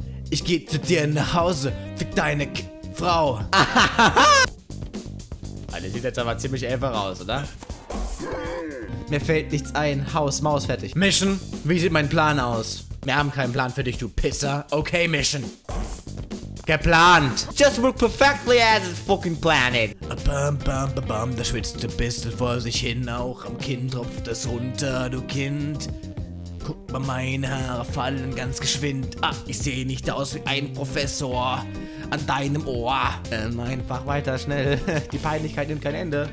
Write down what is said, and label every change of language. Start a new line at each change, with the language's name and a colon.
German: Ich geh zu dir nach Hause. Fick deine Frau. Alter, sieht jetzt aber ziemlich einfach aus, oder? Mir fällt nichts ein. Haus, Maus, fertig. Mission, wie sieht mein Plan aus? Wir haben keinen Plan für dich, du Pisser. Okay, Mission. Geplant.
English: Just work perfectly as it's fucking planned.
German: Bam, bam, bam, bam, da schwitzt der Pistol vor sich hin. Auch am Kinn tropft das runter, du Kind. Guck Guck mal, meine Haare fallen ganz geschwind. Ah, ich sehe nicht aus wie ein Professor an deinem Ohr. Einfach weiter, schnell. Die Peinlichkeit nimmt kein Ende.